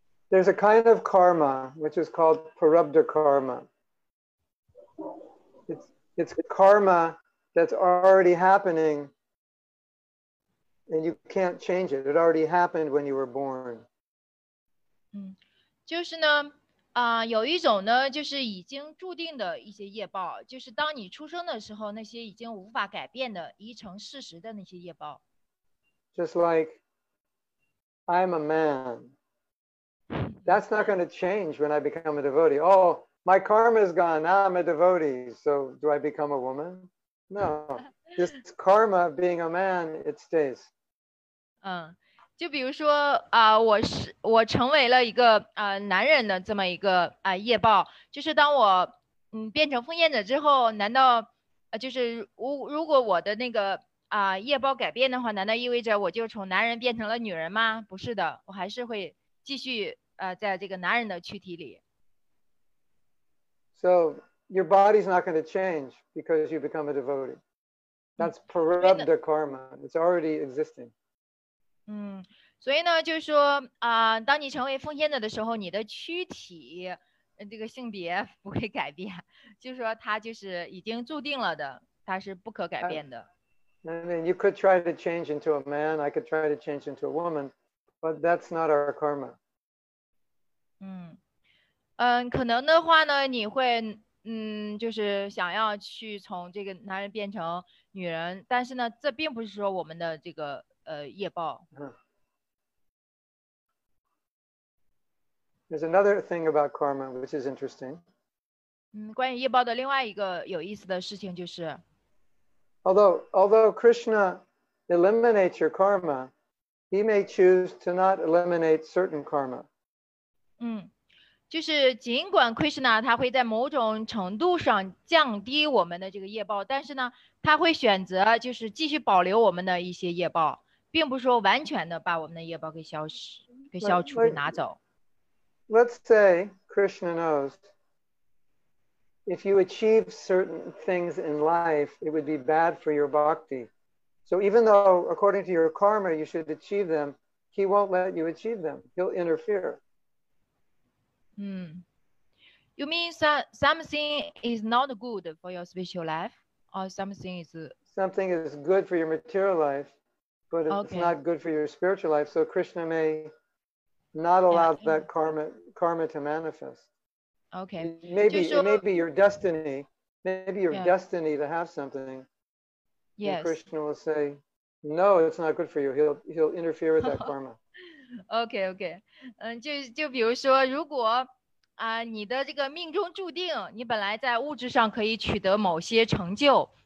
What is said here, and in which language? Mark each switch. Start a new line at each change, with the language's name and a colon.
English: There's a kind of karma which is called Parabdha karma. it's karma that's already happening and you can't change it. It already happened when you were born.
Chinese: 就是呢有一种呢就是已经注定的一些业报，就是当你出生的时候那些已经无法改变的已成事实的那些业报。
English: Just like I'm a man. That's not going to change when I become a devotee. Oh, my karma is gone. Now I'm a devotee. So do I become a woman? No. This karma of being a man, it stays.
Chinese: 就比如说我成为了一个男人的这么一个业报，就是当我变成奉献者之后，难道就是如果我的那个业报改变的话，难道意味着我就从男人变成了女人吗？不是的，我还是会继续在这个男人的躯体里。
English: So your body's not going to change because you become a devotee. That's prarabdha karma. It's already existing.
Chinese: 所以呢就是说当你成为奉献者的时候，你的躯体这个性别不会改变，就是说它就是已经注定了的，它是不可改变的。
English: I mean, you could try to change into a man, I could try to change into a woman, but that's not our karma.
Chinese: 可能的话呢你会就是想要去从这个男人变成女人，但是呢这并不是说我们的这个业报。
English: There's another thing about karma which is interesting.
Chinese: 关于业报的另外一个有意思的事情就是
English: although Krishna eliminates your karma, he may choose to not eliminate certain karma.
Chinese: 就是尽管 Krishna 他会在某种程度上降低我们的这个业报，但是呢他会选择就是继续保留我们的一些业报，并不是说完全的把我们的业报给消失、给消除、拿走。
English: Let's say Krishna knows if you achieve certain things in life, it would be bad for your bhakti. So even though according to your karma you should achieve them, he won't let you achieve them. He'll interfere. You mean something is not good for your spiritual life, or something is good for your material life? But it's okay. Not good for your spiritual life, so Krishna may not allow that karma to manifest. Okay. Maybe
Chinese: 就说,
English: it may be your destiny. Maybe your destiny to have something. Yes. And Krishna will say, no, it's not good for you. He'll interfere with that karma. Okay, okay.
Chinese: 就比如说，如果你的这个命中注定，你本来在物质上可以取得某些成就。